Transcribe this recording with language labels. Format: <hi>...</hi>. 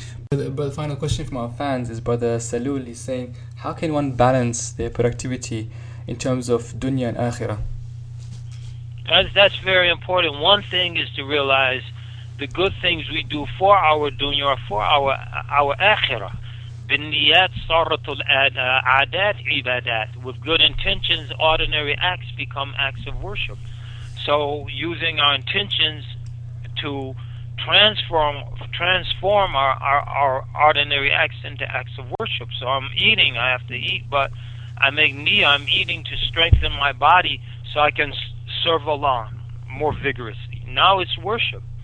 <en>But the final question from our fans is, Brother Salul is saying, how can one balance their productivity in terms of dunya and akhirah? That's very important. One thing is to realize the good things we do for our dunya, for our akhirah.</en> <ar>بالنيات صارت العادات عبادات.</ar> <en>With good intentions, ordinary acts become acts of worship. So using our intentions to transform our ordinary acts into acts of worship. So I'm eating, I have to eat, but I make niyyah, I'm eating to strengthen my body so I can serve Allah more vigorously. Now it's worship.</en>